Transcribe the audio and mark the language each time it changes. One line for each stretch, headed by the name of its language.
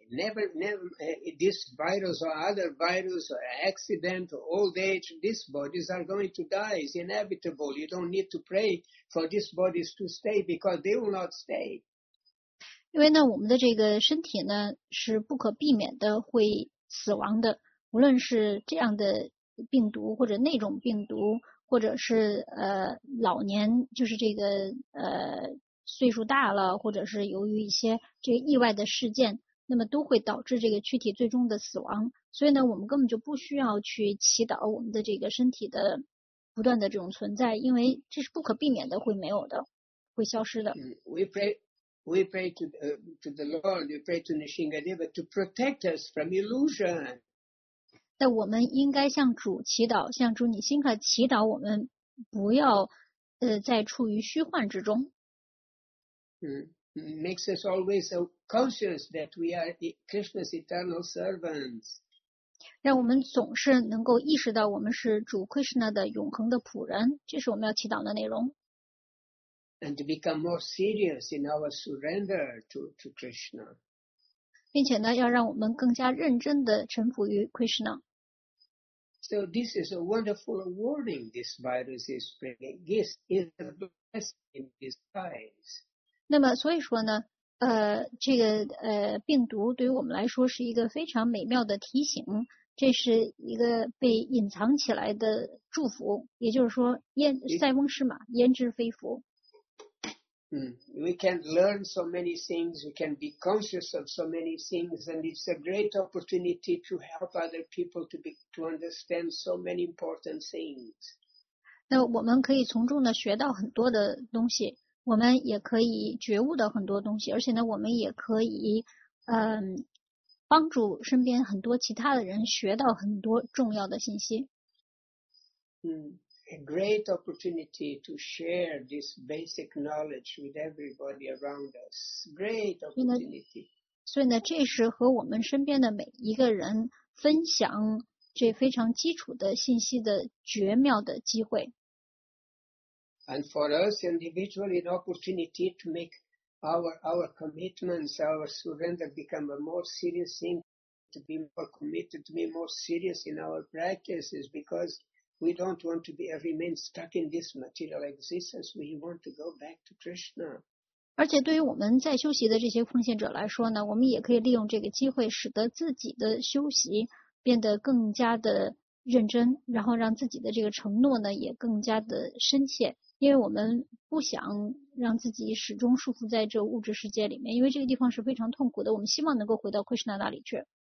English: Never, this virus or other virus or accident or old age, these bodies are going to die. It's inevitable. You don't need to pray for these bodies to stay because they will not stay.
Chinese: 因为呢，我们的这个身体呢是不可避免的会死亡的，无论是这样的病毒或者那种病毒，或者是老年，就是这个岁数大了，或者是由于一些这个意外的事件，那么都会导致这个躯体最终的死亡。所以呢，我们根本就不需要去祈祷我们的这个身体的不断的这种存在，因为这是不可避免的，会没有的，会消失的。
English: We pray to the Lord, we pray to Nishingadeva to protect us from illusion.
Chinese: 但我们应该向主祈祷，向主Nishingha祈祷，我们不要在处于虚幻之中。
English: Makes us always conscious that we are Krishna's eternal servants.
Chinese: 让我们总是能够意识到我们是主 Krishna 的永恒的仆人，这是我们要祈祷的内容。
English: And to become more serious in our surrender to Krishna.
Chinese: 并且呢，要让我们更加认真地臣服于 Krishna。
English: So this is a wonderful warning this virus is bringing. This is a blessing in disguise.
Chinese: 那么所以说呢，这个病毒对于我们来说是一个非常美妙的提醒，这是一个被隐藏起来的祝福，也就是说焉塞翁失马焉知非福。
English: We can learn so many things, we can be conscious of so many things, and it's a great opportunity to help other people to understand so many important things.
Chinese: 那我们可以从中呢学到很多的东西。我们也可以觉悟到很多东西，而且呢，我们也可以，帮助身边很多其他的人学到很多重要的信息。
English: A great opportunity to share this basic knowledge with everybody around us. Great opportunity.
Chinese: 所以呢，这是和我们身边的每一个人分享这非常基础的信息的绝妙的机会。
English: And for us individually, an opportunity to make our commitments, our surrender become a more serious thing, to be more committed, to be more serious in our practices, because we don't want to remain stuck in this material existence. We want to go back to Krishna.
Chinese: 而且对于我们在修习的这些奉献者来说呢，我们也可以利用这个机会，使得自己的修习变得更加的认真，然后让自己的这个承诺呢也更加的深切。因为我们不想让自己始终束缚在这物质世界里面，因为这个地方是非常痛苦的，我们希望能够回到 Krishna 那里去。